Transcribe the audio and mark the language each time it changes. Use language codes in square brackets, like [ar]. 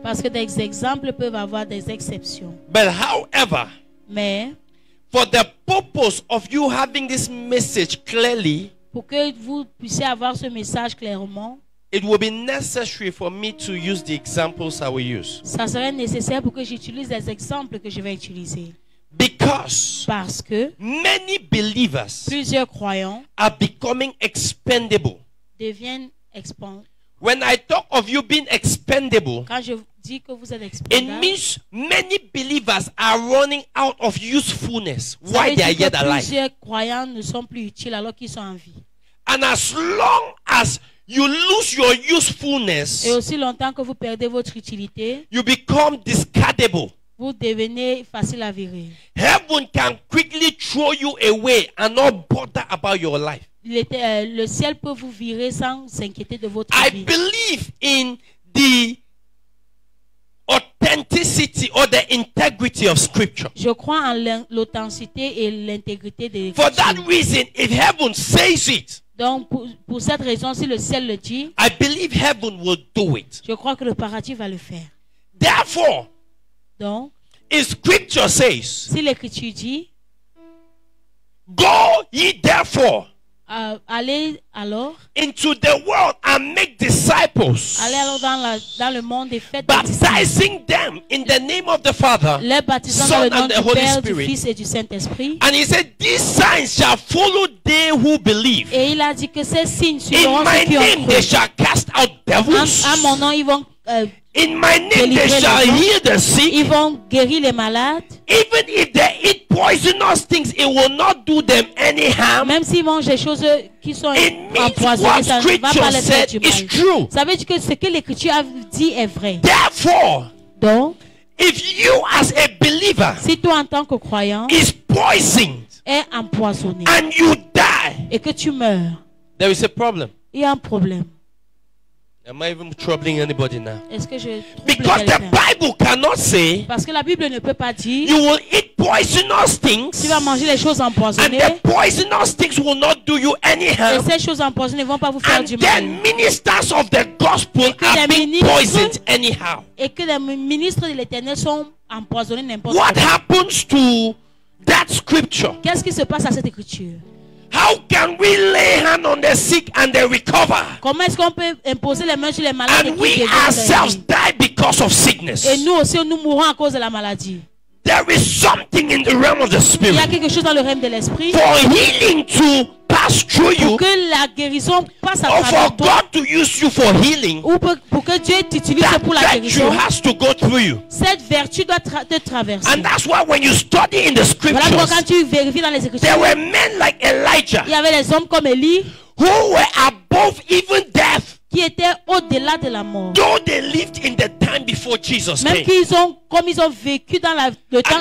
[fr] Parce que des exemples peuvent avoir des exceptions. [en] But however, [fr] mais [en] for the purpose of you having this message clearly, [fr] pour que vous puissiez avoir ce message clairement, [en] it will be necessary for me to use the examples I will use. [fr] Ça serait nécessaire pour que j'utilise les exemples que je vais utiliser. [en] Because [fr] parce que [en] many believers, [fr] plusieurs croyants, [en] are becoming expendable. [fr] Deviennent [en] When I talk of you being expendable, [fr] quand je dis que vous êtes [en] it means many believers are running out of usefulness while they are yet alive. [fr] Plusieurs croyants ne sont plus utiles alors qu'ils sont en vie. [en] And as long as you lose your usefulness, [fr] et aussi longtemps que vous perdez votre utilité, [en] you become discardable. [fr] Vous devenez facile à virer. [en] Heaven can quickly throw you away and not bother about your life. [fr] Le ciel peut vous virer sans s'inquiéter de votre [en] I [fr] vie. [en] I believe in the authenticity or the integrity of Scripture. [fr] Je crois en l'authenticité et l'intégrité de l'Écriture. [en] For that reason, if heaven says it, [fr] donc pour cette raison, si le ciel le dit, [en] I believe heaven will do it. [fr] Je crois que le paradis va le faire. [en] Therefore, [fr] donc, [en] if Scripture says, [fr] si l'Écriture dit, [en] go ye therefore. [fr] Allez alors [en] into the world and make disciples. [fr] Allez alors dans le monde et faites [en] baptizing them in the name of the Father, [fr] les baptisant [en] Son, [fr] dans le nom [en] and the Holy [fr] Père, [en] Spirit. [fr] Du Fils et du Saint-Esprit. [en] And he said, these signs shall follow they who believe. [fr] Et il a dit que ces signes suivront ceux qui ont cru. [en] In my name they shall cast out devils. [fr] À mon nom ils vont [en] in my name they shall heal the sick. [fr] Ils vont guérir les malades. [en] Even if they eat poisonous things, it will not do them any harm. [fr] Même s'ils mangent des choses qui sont empoisonnées, ça ne va pas les faire du mal. [en] It's true. [fr] Ça veut dire que ce que l'Écriture a dit est vrai. [en] Therefore, [fr] donc, [en] if you as a believer, [fr] si toi en tant que croyant, [en] is poisoned, [fr] est empoisonné, [en] and you die, [fr] et que tu meurs, [en] there is a problem. [fr] Il y a un problème. [en] Am I even troubling anybody now? [fr] Est-ce que je [en] because [fr] quelqu'un? [en] The Bible cannot say, [fr] parce que la Bible ne peut pas dire, [en] you will eat poisonous things, [fr] tu vas manger les choses empoisonnées, [en] and the poisonous things will not do you any harm, [fr] et ces choses empoisonnées ne vont pas vous faire [en] and [fr] du mal. [en] Then ministers of the gospel [fr] et que [en] are being [fr] ministres, [en] poisoned anyhow. [fr] Et que les ministres de l'Éternel sont empoisonnés n'importe [en] what [fr] quoi. [en] Happens to that scripture? [fr] Qu'est-ce qui se passe à cette écriture? [en] How can we lay hand on the sick and they recover? [fr] Comment est-ce qu'on peut imposer les mains sur les malades? [en] And we ourselves die because of sickness. [fr] Et nous aussi nous mourons à cause de la maladie. [en] There is something in the realm of the spirit. [fr] Il y a quelque chose dans le règne de l'esprit. [en] For healing to pass through you. [fr] Pour que la guérison passe à travers toi. [en] Or for God to use you for healing. [fr] Ou pour que Dieu t'utilise pour la guérison. [en] That virtue has to go through you. [fr] Cette vertu doit te traverser. [en] And that's why when you study in the scriptures. [fr] Voilà pourquoi quand tu vérifies dans les écritures. [en] There were men like Elijah. [fr] Il y avait des hommes comme Élie. [en] Who were above even death. [fr] Qui étaient au-delà de la mort. [en] Though they lived in the time before Jesus [fr] même [en] came. [fr] Qu'ils ont, comme ils ont vécu dans le temps